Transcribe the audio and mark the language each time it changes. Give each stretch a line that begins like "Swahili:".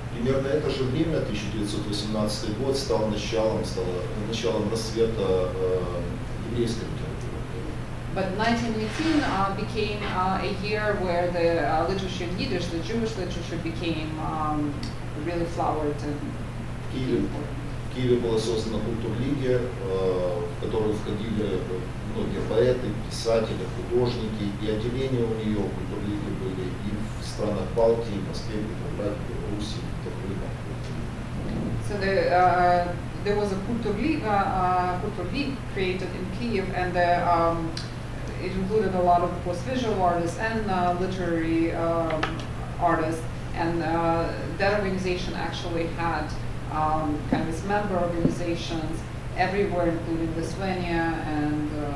Russian: Примерно это же время, 1918 год, стало началом расцвета еврейской литературы.
English: But 1918 became a year where the literature in Yiddish, the Jewish literature, became really flowered.
Russian: В Киеве была создана культурлига, в которую входили многие поэты, писатели, художники, и отделения у нее культурлиги были и в странах Балтии, Москве, Петрограде, Руси, Украине.
English: So the there was a культурлига, культурлиг created in Kyiv, and the it included a lot of course visual artists and literary artists, and that organization actually had kind of its member organizations everywhere, including Lithuania and